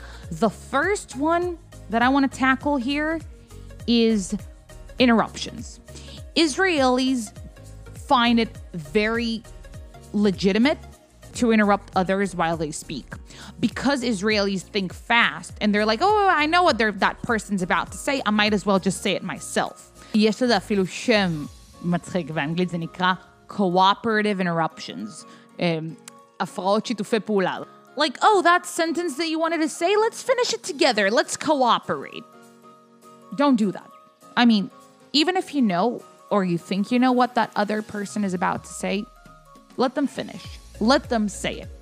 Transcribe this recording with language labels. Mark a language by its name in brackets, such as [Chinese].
[English] The first one that I want to tackle here is interruptions. Israelis find it very legitimate to interrupt others while they speak. Because Israelis think fast and they're like, oh, I know what that person's about to say, I might as well just say it myself. [Hebrew] יש לזה אפילו שם מצחיק באנגלית, זה נקרא [English] cooperative interruptions. [Hebrew] הפרעות שיתופי פעולה. [English] Like, oh, that sentence that you wanted to say, let's finish it together, let's cooperate. Don't do that. I mean, even if you know or you think you know what that other person is about to say, let them finish. Let them say it.